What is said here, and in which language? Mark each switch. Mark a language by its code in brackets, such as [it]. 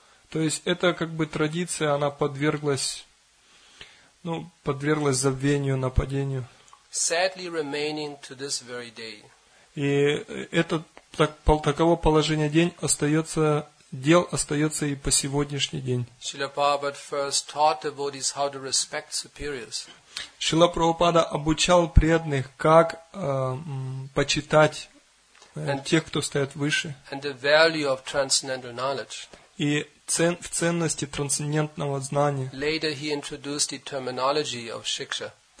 [ru] То есть это как бы традиция, она подверглась, ну, подверглась забвению, нападению. [en] Sadly remaining to this very day. [ru] И это так, таково положение день остается, дел остается и по сегодняшний день. [en] Srila Prabhupada first taught devotees how to respect superiors. [ru] Шрила Прабхупада обучал преданных, как почитать тех, кто стоит выше. [en] And the value of transcendental knowledge. [ru] И в ценности трансцендентного знания. [en] Later he introduced the terminology of shiksha.